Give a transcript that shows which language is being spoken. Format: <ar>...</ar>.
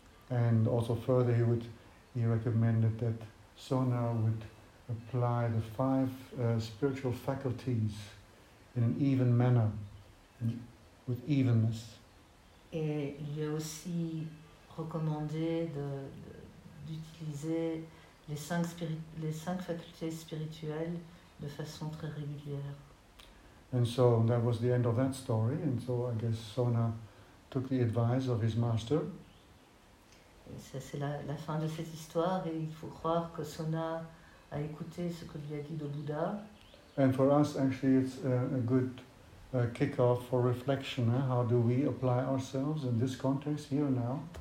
<en>And also further he recommended that Sona would apply the five spiritual faculties in an even manner, with evenness.</en> <fr>Et il a aussi recommandé d'utiliser les cinq facultés spirituelles de façon très régulière.</fr> <en>And so that was the end of that story. And so I guess Sona took the advice of his master.</en> <fr>Et ça c'est la fin de cette histoire. Et il faut croire que Sona à écouter ce que lui a dit le Bouddha.</fr> <en>And for us, actually, it's a good kick-off for reflection. Hein? How do we apply ourselves in this context here now?</en>